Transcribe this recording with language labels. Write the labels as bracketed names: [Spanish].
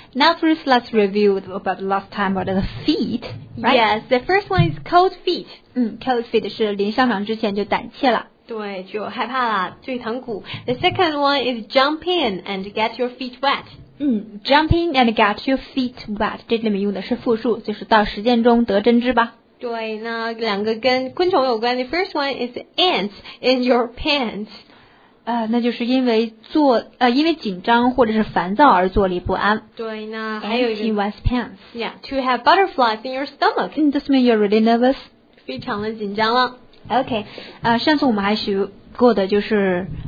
[English] Now, first, let's review about last time about the feet, right? Yes, the first one is cold feet. [Chinese] Cold feet 是临上场之前就胆怯了。对，就害怕了，最疼骨。 [English] The second one is jump in and get your feet wet. Jump in and get your feet wet. [Chinese] 这里面用的是复数，就是到实践中得真知吧。对，那两个跟昆虫有关。 [English] The first one is ants in your pants. [Chinese] 那就是因为坐因为紧张或者是烦躁而坐立不安。对，那还有一个 [English] ants in one's pants. Yeah, to have butterflies in your stomach. This means you're really nervous. [Chinese] 非常的紧张了。 OK, 上次我们还学过的就是